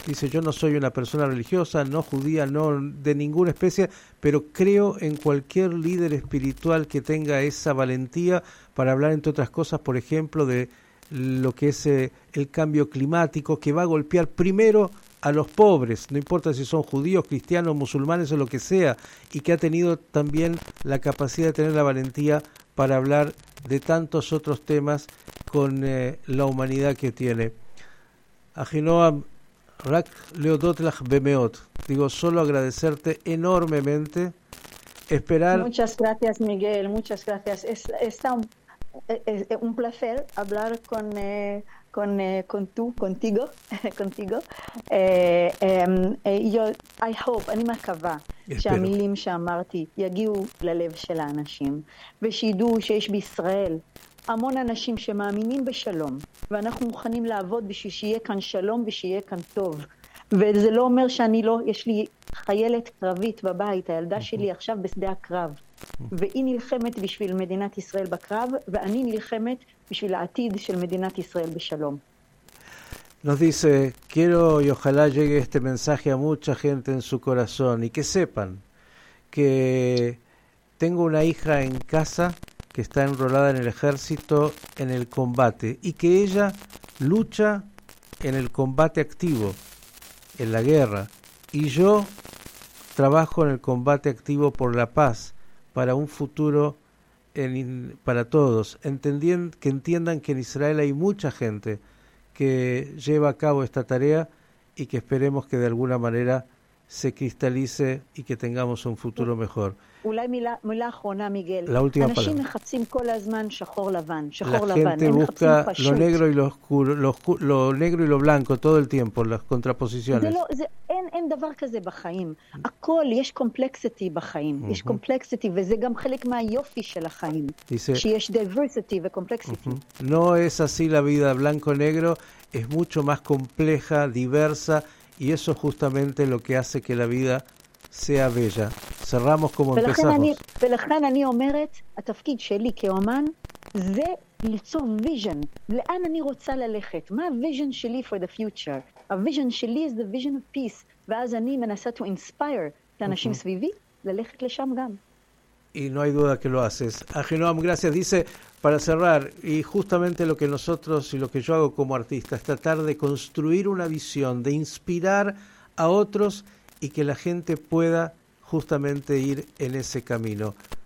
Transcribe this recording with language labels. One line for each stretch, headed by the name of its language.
Spanish: Dice, yo no soy una persona religiosa, no judía, no de ninguna especie, pero creo en cualquier líder espiritual que tenga esa valentía para hablar, entre otras cosas, por ejemplo, de lo que es el cambio climático, que va a golpear primero a los pobres, no importa si son judíos, cristianos, musulmanes o lo que sea, y que ha tenido también la capacidad de tener la valentía para hablar de tantos otros temas con la humanidad que tiene.
Hebrew: Ahinoam, rak leodot lach bemeot.
Spanish: Digo, solo agradecerte enormemente. Esperar. Muchas gracias, Miguel. Muchas gracias. Es un placer hablar contigo.
English: I hope,
Hebrew: אני מקווה שהמילים שאמרתי יגיעו ללב של האנשים, ושידעו שיש בישראל המון אנשים שמאמינים בשלום, ואנחנו מוכנים לעבוד בשביל שיהיה כאן שלום ושיהיה כאן טוב. וזה לא אומר שאני לא, יש לי חיילת קרבית בבית, הילדה שלי עכשיו בשדה הקרב, והיא נלחמת בשביל מדינת ישראל בקרב, ואני נלחמת בשביל העתיד של מדינת ישראל בשלום.
Spanish: Nos dice, quiero y ojalá llegue este mensaje a mucha gente en su corazón, y que sepan que tengo una hija en casa que está enrolada en el ejército en el combate, y que ella lucha en el combate activo, en la guerra, y yo trabajo en el combate activo por la paz, para un futuro para todos, que entiendan que en Israel hay mucha gente que lleva a cabo esta tarea y que esperemos que de alguna manera se cristalice y que tengamos un futuro mejor.
Hebrew: אולי מילה אחרונה, מיגל.
Spanish: La última palabra.
Hebrew: אנשים מחפשים כל הזמן שחור לבן, שחור לבן.
Spanish: La gente busca lo negro y lo oscuro, lo negro y lo blanco todo el tiempo, las contraposiciones.
Hebrew: אין דבר כזה בחיים. הכל, יש complexity בחיים. יש complexity, וזה גם חלק מהיופי של החיים. שיש diversity וcomplexity.
Spanish: No es así la vida, blanco-negro, es mucho más compleja, diversa, y eso es justamente lo que hace que la vida sea bella. Cerramos como empezamos.
Hebrew: ולכן אני אומרת, התפקיד שלי כאומן, זה ליצור vision. לאן אני רוצה ללכת? מה vision שלי
English: for the future?
Hebrew: הוויז'ן שלי
English: is the vision of peace.
Hebrew: ואז אני מנסה
English: to inspire
Hebrew: את האנשים סביבי ללכת לשם גם.
Spanish: Y no hay duda que lo haces. Ahinoam, gracias. Dice, para cerrar, y justamente lo que nosotros y lo que yo hago como artista es tratar de construir una visión, de inspirar a otros y que la gente pueda justamente ir en ese camino.